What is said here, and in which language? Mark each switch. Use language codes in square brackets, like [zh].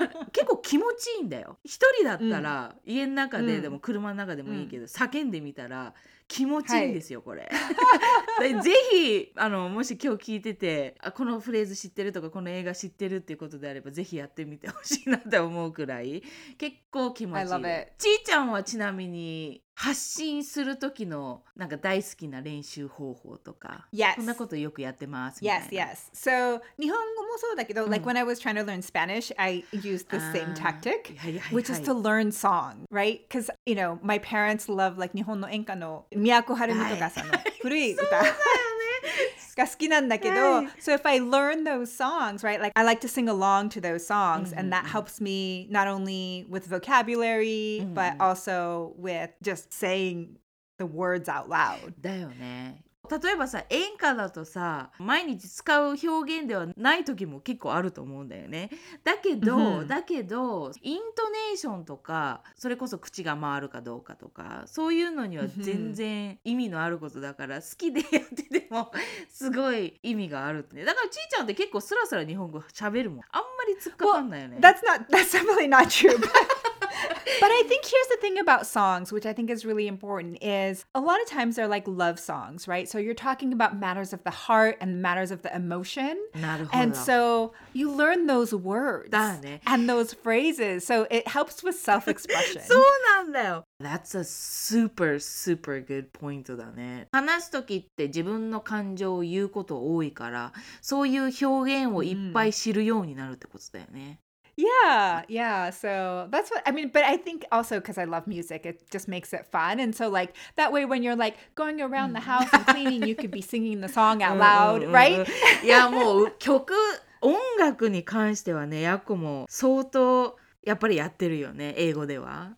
[ja] 結構気持ちいいんだよ。一人だったら家の中ででも車の中でもいいけど、叫んでみたら気持ちいいんですよ、はい、これぜひあのもし今日聞いててあこのフレーズ知ってるとかこの映画知ってるっていうことであればぜひやってみてほしいなって思うくらい結構気持ちいい。 [en] I love it. [ja] ちーちゃんはちなみに発信する時のなんか大好きな練習方法とか、 [en] yes. [ja] そんなことよくやってますみたいな。Yes, yes. [en] So, [ja] 日本語もそうだけど、 [en] うん、like when I was trying to learn Spanish, I used the same tactic, which is to learn song, right? Because, you know, my parents love like [ja] 日本の演歌の都はるみとかさんの古い歌。そうだよね。が好きなんだけど、はい、 [en] so if I learn those songs, right, like I like to sing along to those songs, mm-hmm. and that helps me not only with vocabulary, mm-hmm. but also with just saying the words out loud. [ja] だよね。例えばさ、演歌だとさ、毎日使う表現ではない時も結構あると思うんだよね。だけど、mm-hmm. だけど、イントネーションとか、それこそ口が回るかどうかとか、そういうのには全然意味のあることだから、mm-hmm. 好きでやってて、すごい意味があるね。だからちーちゃんって結構スラスラ日本語喋るもん。あんまり突っかかんないよね。 [en] Well, that's definitely not true. But I think here's the thing about songs, which I think is really important, is a lot of times they're like love songs, right? So you're talking about matters of the heart and matters of the emotion. [ja] なるほど。 [en] And so you learn those words [ja] だ、ね、 [en] and those phrases. So it helps with self-expression. [ja] そうなんだよ。 [en] That's a super, super good point だね。 [ja] 話すときって自分の感情を言うこと多いから、そういう表現をいっぱい知るようになるってことだよね。 [en] Yeah, yeah. So that's what I mean. But I think also because I love music, it just makes it fun. And so like that way when you're like going around the house and cleaning, you could be singing the song out loud, right? [ja] Yeah, もう曲、音楽に関してはね、ヤコも相当やっぱりやってるよね、英語では。